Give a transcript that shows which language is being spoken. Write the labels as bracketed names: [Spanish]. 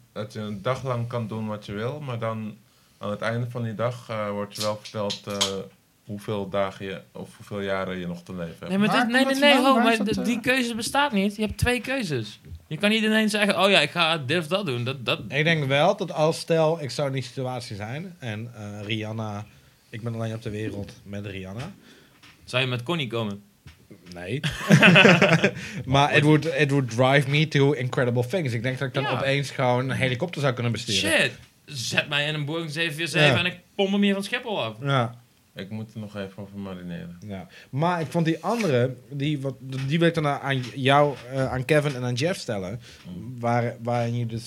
[Dutch] Dat je een dag lang kan doen wat je wil, maar dan aan het einde van die dag wordt je wel verteld hoeveel dagen je of hoeveel jaren je nog te leven hebt. Die keuze bestaat niet. Je hebt 2 keuzes. Je kan niet ineens zeggen, oh ja, ik ga dit of dat doen. Ik denk wel dat als stel, ik zou in die situatie zijn en Rihanna, ik ben alleen op de wereld met Rihanna. Zou je met Connie komen? Nee. Maar [English] it would drive me to incredible things. [Dutch] Ik denk dat ik dan opeens gewoon een helikopter zou kunnen besturen. Shit. Zet mij in een Boeing 747 en ik pom hem hier van Schiphol af. Ja. Ik moet er nog even over marineren. Ja. Maar ik vond die andere, die wil ik dan aan jou, aan Kevin en aan Jeff stellen. Waarin je dus